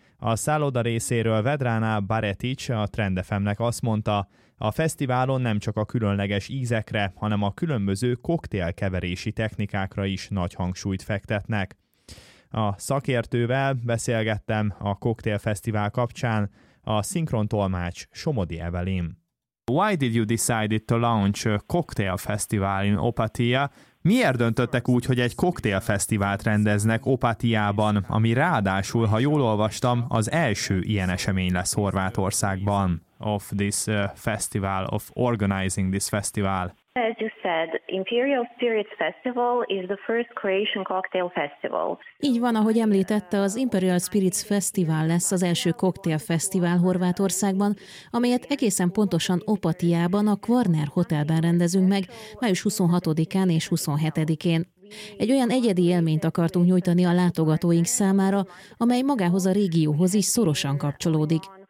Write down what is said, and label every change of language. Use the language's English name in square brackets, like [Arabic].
[Hungarian] A szálloda részéről Vedrana Baretic a Trend FM-nek azt mondta, a fesztiválon nem csak a különleges ízekre, hanem a különböző koktélkeverési technikákra is nagy hangsúlyt fektetnek. A szakértővel beszélgettem a koktélfesztivál kapcsán, a szinkron tolmács Somodi Evelin. [English] Why did you decide to launch a cocktail festival in Opatia? [Hungarian] Miért döntöttek úgy, hogy egy koktélfesztivált rendeznek Opatiában, ami ráadásul, ha jól olvastam, az első ilyen esemény lesz Horvátországban? [English] Of this festival, of organizing this festival. As you said, Imperial Spirits Festival is the first Croatian cocktail festival. [Hungarian] Így van, ahogy említette, az Imperial Spirits Festival lesz az első koktélfesztivál Horvátországban, amelyet egészen pontosan Opatiában, a Kvarner Hotelben rendezünk meg, május 26-án és 27-én. Egy olyan egyedi élményt akartunk nyújtani a látogatóink számára, amely magához a régióhoz is szorosan kapcsolódik.